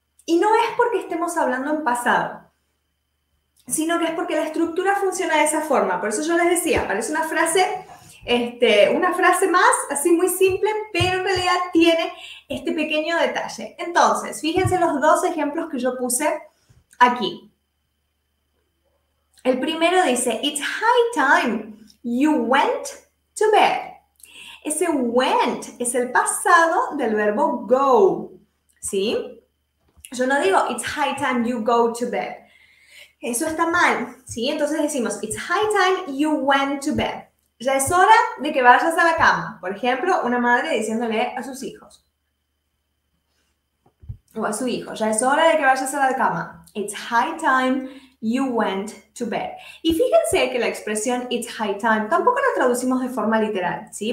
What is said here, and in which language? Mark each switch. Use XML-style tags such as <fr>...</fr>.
<es>Y no es porque estemos hablando en pasado, sino que es porque la estructura funciona de esa forma. Por eso yo les decía, parece una frase, una frase más, así muy simple, pero en realidad tiene este pequeño detalle. Entonces, fíjense los dos ejemplos que yo puse aquí. El primero dice,</es> <en>it's high time you went to bed.</en> <es>Ese went es el pasado del verbo go, ¿sí? Yo no digo,</es> <en>it's high time you go to bed.</en> <es>Eso está mal, ¿sí? Entonces decimos,</es> <en>it's high time you went to bed.</en> <es>Ya es hora de que vayas a la cama. Por ejemplo, una madre diciéndole a sus hijos. O a su hijo. Ya es hora de que vayas a la cama.</es> <en>It's high time you went to bed.</en> <es>Y fíjense que la expresión it's high time tampoco la traducimos de forma literal, ¿sí?</es>